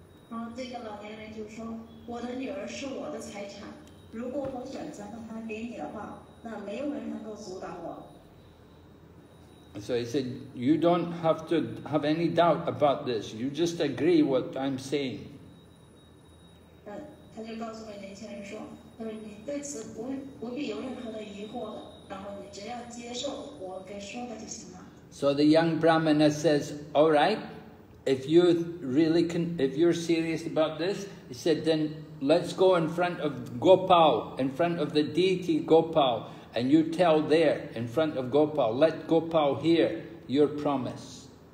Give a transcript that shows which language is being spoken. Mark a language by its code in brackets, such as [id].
[en] Mm-hmm. So he said, you don't have to have any doubt about this. You just agree what I'm saying. [zh] 他就告诉给年轻人说，他说你对此不必有任何的疑惑，然后你只要接受我该说的就行了。 [en] So the young Brahmana says, all right, if you really can, if you're serious about this, he said, then let's go in front of Gopal, in front of the deity Gopal, and you tell there, in front of Gopal, let Gopal hear your promise.